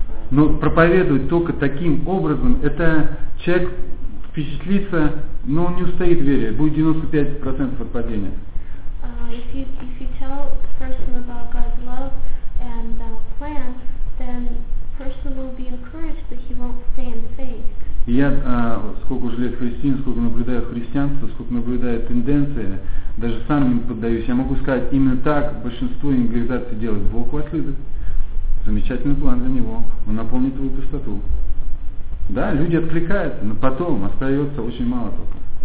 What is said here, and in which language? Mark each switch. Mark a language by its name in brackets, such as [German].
[Russian] Но проповедовать только таким образом, это человек впечатлится, но он не устоит в вере, будет 95% отпадения. [English] If you tell a person about God's love and plan, then person will be encouraged, but he won't stay in faith. [Russian] Я сколько уже лет христиан, сколько наблюдаю христианство, сколько наблюдаю тенденции, даже сам не поддаюсь. Я могу сказать, именно так большинство евангелизаций делают. Бог вас любит. Замечательный план для него. Он наполнит твою пустоту. Да, люди откликаются, но потом остается очень мало только.